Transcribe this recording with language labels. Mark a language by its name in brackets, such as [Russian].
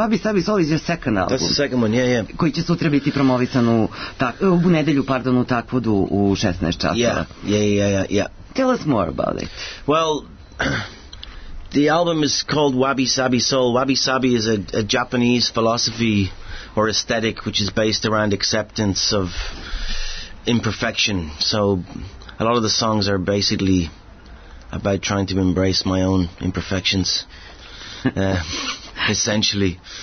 [English] Abyss Abyss Solo is your second album. That's the second one, yeah, yeah. [Serbian] Koji će sutra biti promovisan u, u nedelju, pardon, u Takvodu u 16 časova. [English] Yeah. Tell us more about it. Well, the album is called Abyss Abyss Solo. Abyss Abyss is a Japanese philosophy or aesthetic which is based around acceptance of imperfection. So a lot of the songs are basically about trying to embrace my own imperfections, essentially.